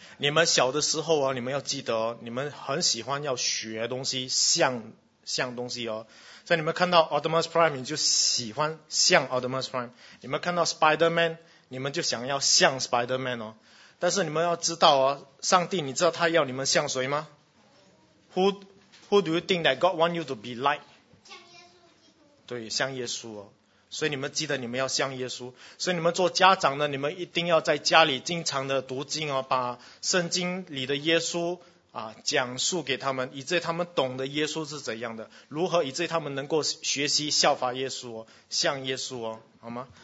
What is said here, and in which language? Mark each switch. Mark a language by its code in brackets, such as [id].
[zh] 你们小的时候你们要记得你们很喜欢要学东西，像东西哦，所以你们看到 Optimus Prime 你就喜欢像 Optimus Prime， 你们看到 Spider-Man 你们就想要像 Spider-Man 哦。但是你们要知道上帝，你知道他要你们像谁吗？ [en] Who do you think that God want you to be like？ [zh] 像耶稣。对，像耶稣哦。所以你们记得你们要像耶稣，所以你们做家长呢，你们一定要在家里经常的读经哦，把圣经里的耶稣讲述给他们，以至于他们懂得耶稣是怎样的，如何以至于他们能够学习效法耶稣像耶稣好吗？